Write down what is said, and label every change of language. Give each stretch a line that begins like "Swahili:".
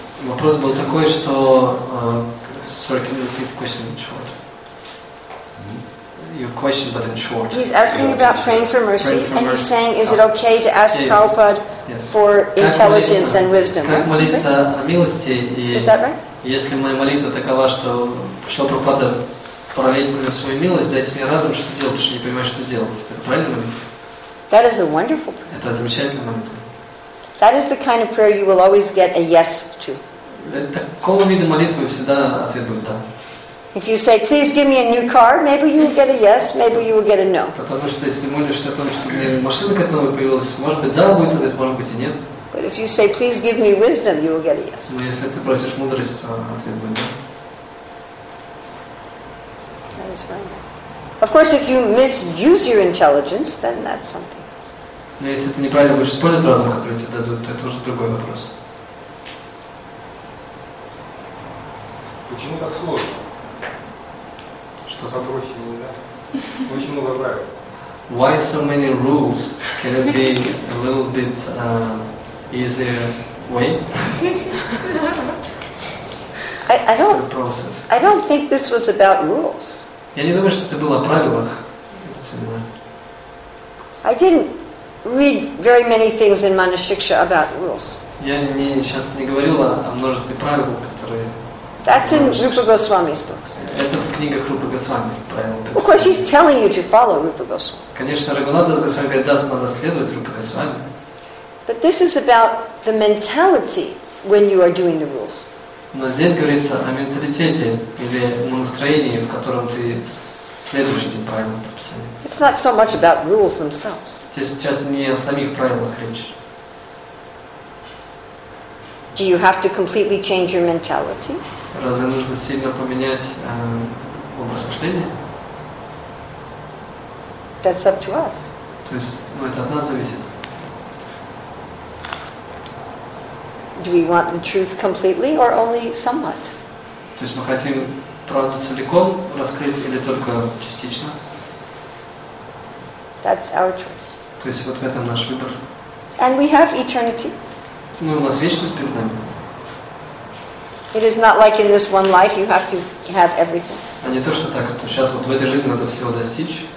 Russian: Вопрос был такой, что...
English: sorry, can you repeat the question in short? your question, but in short. He's asking about praying for mercy, he's saying, is it okay to ask Prabhupada for intelligence and wisdom?
Russian: Как молиться за милости?
English: Is that right?
Russian: Если моя молитва такова, что Прабхупада проявит мне свою милость, дайте мне разум, что делать, потому что не понимаю, что делать. Это правильно?
English: That is a wonderful prayer.
Russian: Это замечательная молитва.
English: That is the kind of prayer you will always get a yes to.
Russian: Такого вида молитвы всегда ответ будет да.
English: If you say, please give me a new car, maybe you will get a yes, maybe you will get a no.
Russian: Потому что если молишься о том, что мне машина какая-то новая появилась, может быть да будет ответ, может быть и нет.
English: But if you say, please give me wisdom, you will get a yes.
Russian: Но если ты просишь мудрость, то ответ будет да.
English: That is very nice. Of course, if you misuse your intelligence, then that's something else.
Russian: Но если ты неправильно будешь использовать разум, который тебе дадут, то это уже другой вопрос. Почему так сложно? Что за проще не да? Очень много правил.
English: Why so many rules? Can it be a little bit easier way? I don't think this was about rules.
Russian: Я не думаю, что это было о правилах этот семинар.
English: I didn't read very many things in Manushiksha about rules.
Russian: Я не сейчас не говорила о множестве правил, которые.
English: That's in Rupa Goswami's books.
Russian: Это в книгах Рупы Госвами правила.
English: Of course, he's telling you to follow Rupa Goswami.
Russian: Конечно, Рагунатдас Госвами говорит, да, надо следовать Рупе Госвами.
English: But this is about the mentality when you are doing the rules.
Russian: Но здесь говорится о менталитете или настроении, в котором ты следуешь этим правилам прописания.
English: It's not so much about rules themselves.
Russian: Здесь сейчас не о самих правилах речь.
English: Do you have to completely change your mentality?
Russian: Разве нужно сильно поменять образ мышления?
English: That's up to us.
Russian: То есть, ну, это от нас зависит.
English: Do we want the truth completely or only somewhat?
Russian: То есть мы хотим правду целиком раскрыть или только частично?
English: That's our choice.
Russian: То есть вот в этом наш выбор.
English: And we have eternity.
Russian: Ну, у нас вечность перед нами.
English: It is not like in this one life you have to have everything.
Russian: А не то, что так, что сейчас вот в этой жизни надо всего достичь.